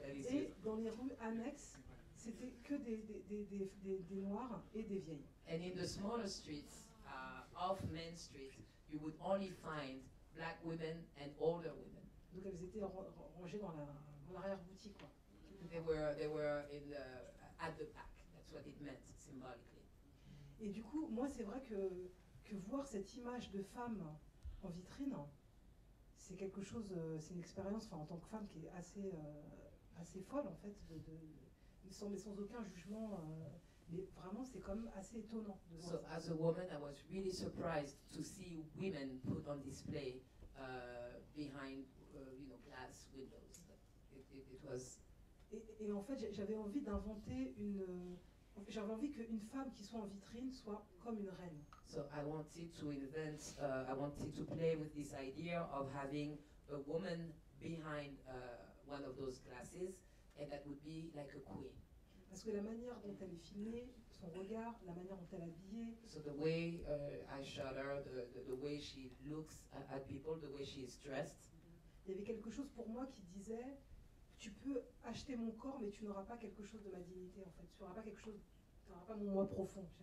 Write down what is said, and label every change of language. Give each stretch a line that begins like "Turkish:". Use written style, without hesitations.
French: Et dans les rues annexes, c'était que des noirs et des vieilles.
English: And in the smaller streets, off main streets, you would only find black women and older women.
French: Donc elles étaient rangées dans l'arrière-boutique, quoi.
English: They were in the, at the back. That's what it meant symbolically.
French: Et du coup, moi, c'est vrai que voir cette image de femme en vitrine, c'est quelque chose, c'est une expérience en tant que femme qui est assez, assez folle en fait, mais sans aucun jugement. Mais vraiment, c'est quand même assez étonnant.
English: So as a woman, I was really surprised to see women put on display behind, you know, glass windows. It was.
French: Et en fait, j'avais envie d'inventer une. J'avais envie qu'une femme qui soit en vitrine soit comme une reine.
English: So I wanted to invent. I wanted to play with this idea of having a woman behind one of those glasses, and that would be like a queen.
French: Parce que la manière dont elle est filmée, son regard, la manière dont elle est habillée.
English: So the way I shot her, the way she looks at people, the way she is dressed.
French: Il y avait quelque chose pour moi qui disait, tu peux acheter mon corps, mais tu n'auras pas quelque chose de ma dignité en fait. Tu n'auras pas quelque chose, tu n'auras pas mon moi profond.